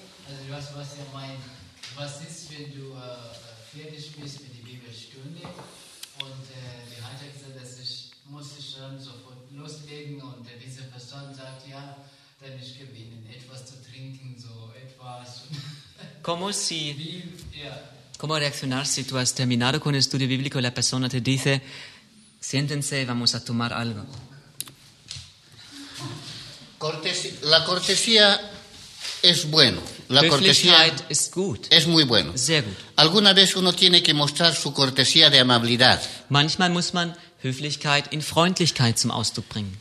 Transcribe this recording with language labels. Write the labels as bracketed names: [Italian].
[German] Also, was ihr meint, was ist, wenn du fertig bist mit der Bibelstunde und die Heiter gesagt, dass ich musste schon sofort loslegen und der diese Person sagt, ja, dann ich gebe Ihnen etwas zu trinken, so etwas. [Spanish] Como si, ¿cómo reaccionar si tú has terminado con el estudio bíblico y la persona te dice, siéntense, vamos a tomar algo? La cortesía es bueno. La cortesía es [German] gut. [Spanish] Es muy bueno. [German] Sehr gut. [Spanish] Alguna vez uno tiene que mostrar su cortesía de amabilidad. [German] Manchmal muss man Höflichkeit in Freundlichkeit zum Ausdruck bringen.